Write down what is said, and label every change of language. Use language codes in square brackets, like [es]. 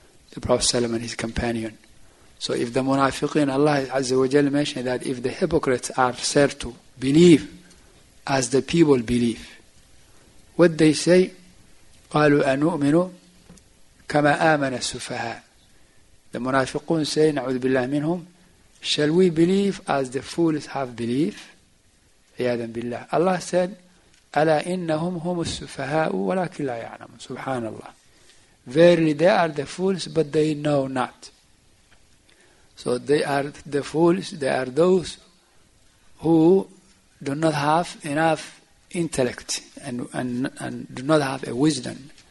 [en] The Prophet ﷺ and his companion. So if the munafiqeen, Allah Azza wa Jalla mentioned that if the hypocrites are said to believe as the people believe, what they say? [ar] قَالُوا أَنُؤْمِنُوا كَمَا آمَنَ السُّفَهَاء. [en] The munafiqun say, [ar] نَعُوذُ بِاللَّهِ مِنْهُمْ, [en] shall we believe as the fools have belief? [ar] عياذا بالله. [en] Allah said, [ar] أَلَا إِنَّهُمْ هُمُ السُّفَهَاءُ وَلَكِنْ لَا يَعْلَمُونَ. سُبْحَانَ اللَّهِ. [en] Verily they are the fools, but they know not. So they are the fools, they are those who do not have enough intellect and do not have a wisdom.